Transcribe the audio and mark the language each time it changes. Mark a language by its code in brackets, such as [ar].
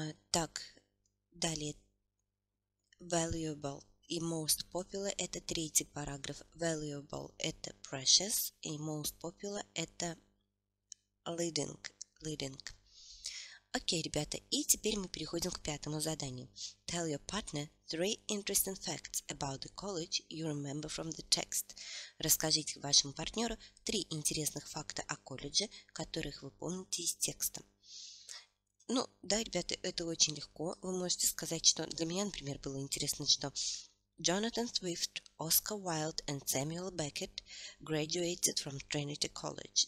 [ru] Так, далее, valuable и most popular, это третий параграф. Valuable, это precious, и most popular, это leading. Окей, ребята, и теперь мы переходим к пятому заданию. [en] Tell your partner three interesting facts about the college you remember from the text. [ru] Расскажите вашему партнеру три интересных факта о колледже, которых вы помните из текста. Ну, да, ребята, это очень легко. Вы можете сказать, что для меня, например, было интересно, что [en] Jonathan Swift, Oscar Wilde and Samuel Beckett graduated from Trinity College.